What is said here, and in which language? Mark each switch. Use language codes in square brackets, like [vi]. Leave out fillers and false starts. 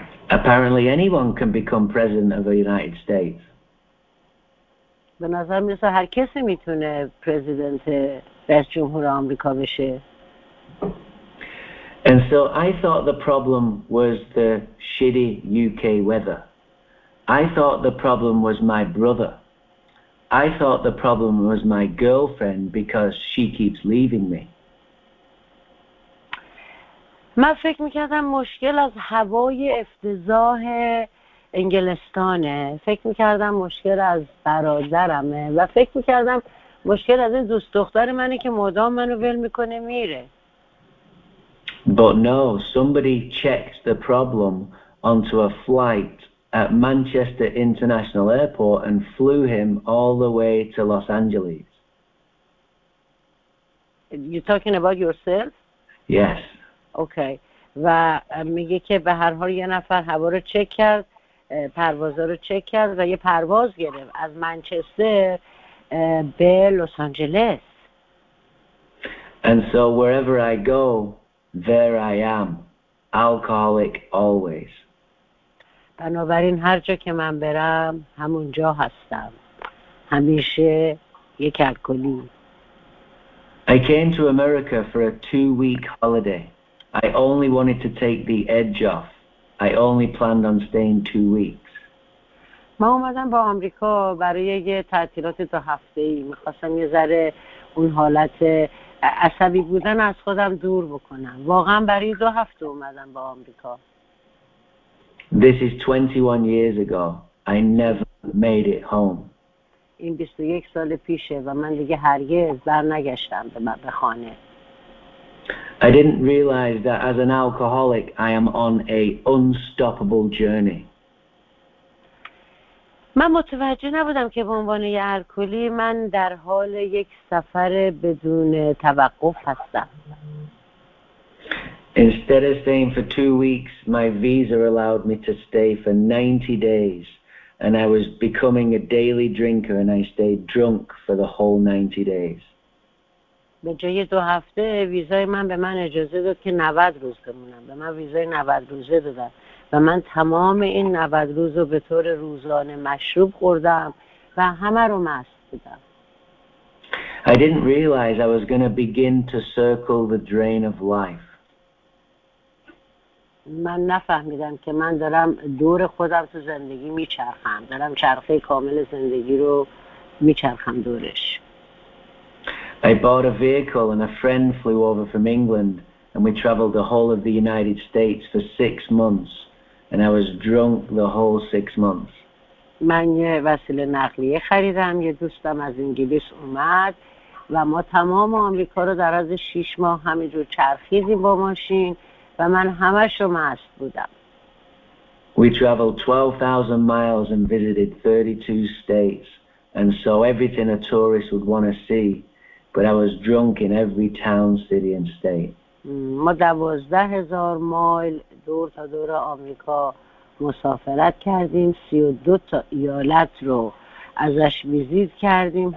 [en] Apparently anyone can become president of the United States. [fa] به نظر میرسه هر کسی میتونه پرزیدنت رئیس جمهور آمریکا بشه. [en] And so I thought the problem was the shitty UK weather. I thought the problem was my brother. I thought the problem was my girlfriend because she keeps leaving me. [fa] من فکر میکردم مشکل از هوای افتضاح انگلستانه، فکر میکردم مشکل از برادرمه و فکر میکردم مشکل از این دوست دختر منه که مدام منو ول میکنه میره. [en] But no, somebody checks the problem onto a flight at Manchester International Airport and flew him all the way to Los Angeles. You're talking about yourself? Yes. Okay. [fa] و میگه که به هر حال یه نفر هوا رو چک کرد، پروازا رو چک کرد و یه پرواز گرفت از منچستر به لس آنجلس. [en] And so wherever I go, there I am, alcoholic always. [fa] بنابراین هر جا که من برم همونجا هستم. همیشه یک الکلی. [en] I came to America for a 2-week holiday. I only wanted to take the edge off. I only planned on staying 2 weeks. [fa] ما اومدم با آمریکا برای یه تعطیلات 2 هفته‌ای. می‌خواستم یه ذره اون حالت عصبی بودن از خودم دور بکنم. واقعا برای 2 هفته اومدم با آمریکا. [en] This is 21 years ago. I never made it home. [fa] این 21 سال پیشه و من دیگه هرگز برنگشتم به خانه. [en] I didn't realize that as an alcoholic I am on a unstoppable journey. [fa] من متوجه نبودم که به عنوان یک الکلی من در حال یک سفر بدون توقف هستم. [en] Instead of staying for 2 weeks, my visa allowed me to stay for 90 days and I was becoming a daily drinker and I stayed drunk for the whole 90 days. [fa] به جای 2 هفته ویزای من به من اجازه داد که 90 روز بمونم. به من ویزای 90 روزه دادن و من تمام این 90 روز رو به طور روزانه مشروب خوردم و همه رو مست بودم. [en] I didn't realize I was going to begin to circle the drain of life. [fa] من نفهمیدم که من دارم دور خودم تو زندگی میچرخم، دارم چرخه کامل زندگی رو میچرخم دورش. [en] I bought a vehicle and a friend flew over from England and we traveled the whole of the United States for 6 months and I was drunk the whole 6 months. [fa] من یه وسیله نقلیه خریدم، یه دوستم از انگلیس اومد و ما تمام آمریکا رو در از 6 ماه همینجور چرخیدیم با ماشین و من همش رو مست بودم. [en] We traveled 12,000 miles and visited 32 states and saw everything a tourist would want to see. But I was drunk in every town, city, and state. [fa] ما 12,000 [en] miles [fa] دور تا دور آمریکا مسافرت کردیم. 32 ایالت رو ازش ویزیت کردیم.